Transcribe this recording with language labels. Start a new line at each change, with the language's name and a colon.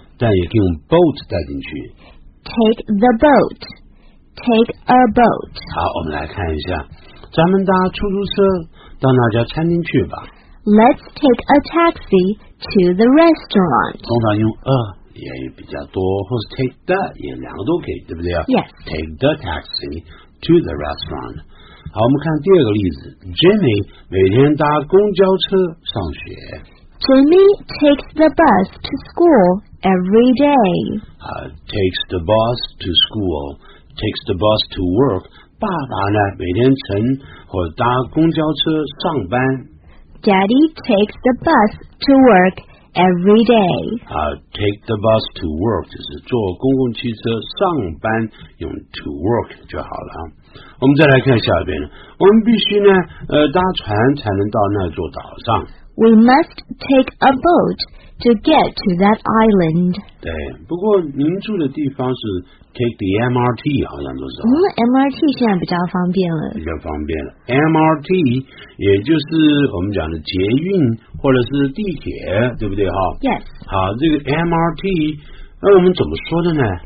Chinese: 但也可以用 boat 带进去。
English: Take the boat. Take a boat.
Chinese: 好，我们来看一下，咱们搭出租车到那家餐厅去吧。
English: Let's take a taxi to the restaurant.
Chinese: 通常用 a 也比较多，或是 take the 也两个都可以，对不对
English: ？Yes. Take the taxi to the restaurant.
Chinese: 好，我们看第二个例子 ，Jimmy 每天搭公交车上学。
English: Jimmy takes the bus to school every day. Takes the bus to school. Takes the bus to work.
Chinese: 爸爸呢，每天乘或搭公交车上班。
English: Daddy takes the bus to work every day. Take the bus to work
Chinese: 就是坐公共汽车上班，用 to work 就好了。我们再来看下边，我们必须呢，搭船才能到那座岛上。
English: We must take a boat to get to that island.
Chinese: 对，不过您住的地方是
English: take the MRT
Chinese: 好像都是。 MRT 现在比较方便了。比较方便了。 MRT 也就是我们讲的捷运或者是地铁，对不对哈
English: ？Yes.
Chinese: 好，这个 MRT， 那我们怎么说的呢